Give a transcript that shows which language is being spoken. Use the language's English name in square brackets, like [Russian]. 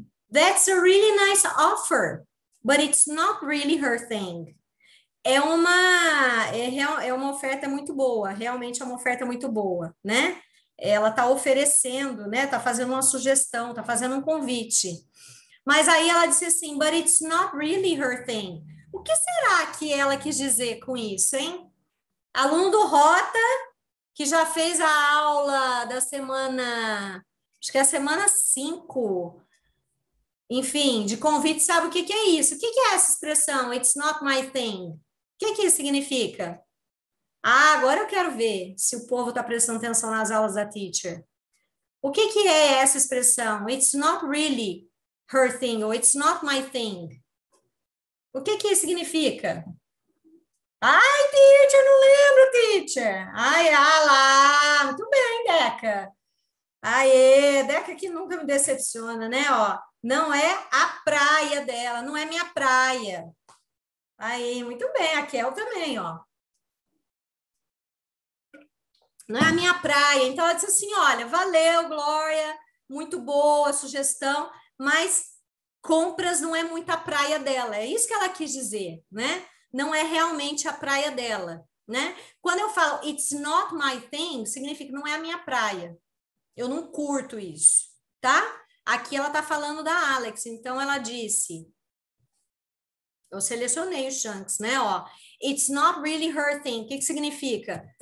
[English] That's a really nice offer, but it's not really her thing. [Portuguese] É uma oferta muito boa, realmente é uma oferta muito boa, né? Ela está oferecendo, né? Está fazendo uma sugestão, está fazendo um convite. Mas aí ela disse assim, [English] but it's not really her thing. [Portuguese] O que será que ela quis dizer com isso, hein? Aluno do Rota, que já fez a aula da semana, acho que é a semana 5, enfim, de convite, sabe o que que é isso? O que que é essa expressão, [English] it's not my thing? [Portuguese] O que que isso significa? Ah, agora eu quero ver se o povo está prestando atenção nas aulas da teacher. O que que é essa expressão? [English] It's not really her thing, or it's not my thing. [Portuguese] O que que isso significa? Ai, teacher, não lembro, teacher. Ai, ah lá, muito bem, Deca. Aê, Deca que nunca me decepciona, né? Ó, não é a praia dela, não é minha praia. Aí, muito bem, a Kel também, ó. Não é a minha praia. Então, ela disse assim, olha, valeu, Glória, muito boa a sugestão, mas compras não é muito a praia dela. É isso que ela quis dizer, né? Não é realmente a praia dela, né? Quando eu falo [English] it's not my thing, [Portuguese] significa não é a minha praia. Eu não curto isso, tá? Aqui ela tá falando da Alex, então ela disse... Eu selecionei o Shanks, né? Ó, [English] it's not really her thing. [Portuguese] O que que significa?